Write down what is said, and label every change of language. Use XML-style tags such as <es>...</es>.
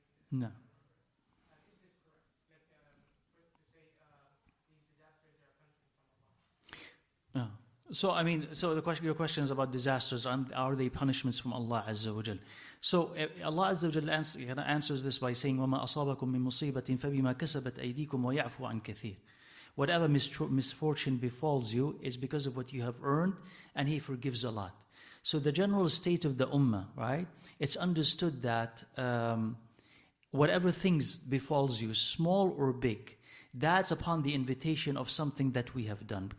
<en>No. No. So the question, your question is about disasters. Are they punishments from Allah Azza wa Jal? So Allah Azza wa Jal answers this by saying,</en> <ar>وَمَا أَصَابَكُم مِّن مُصِيبَةٍ فَبِمَا كَسَبَتْ أَيْدِيكُمْ وَيَعْفُوا عَنْ كَثِيرٍ.</ar> <en>Whatever misfortune befalls you is because of what you have earned, and He forgives a lot. So the general state of the Ummah, right? It's understood that whatever things befalls you, small or big, that's upon the invitation of something that we have done.</en>